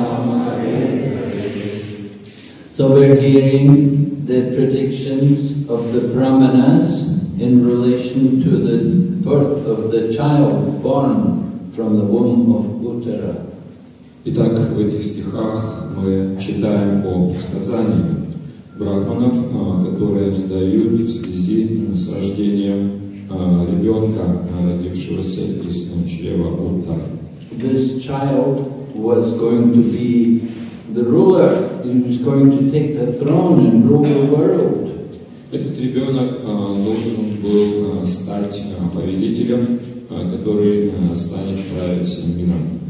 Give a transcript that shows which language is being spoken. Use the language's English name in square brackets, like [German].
[English] So we're hearing the predictions of the Brahmanas in relation to the birth of the child born from the womb of Uttara. [Russian] Итак, в этих стихах мы читаем о предсказаниях брахманов, которые они дают в связи с рождением ребенка, родившегося из чрева Уттара. [English] This child was going to be the ruler. He was going to take the throne and rule the world. [Russian] Этот ребенок должен был стать повелителем, который станет править всем миром.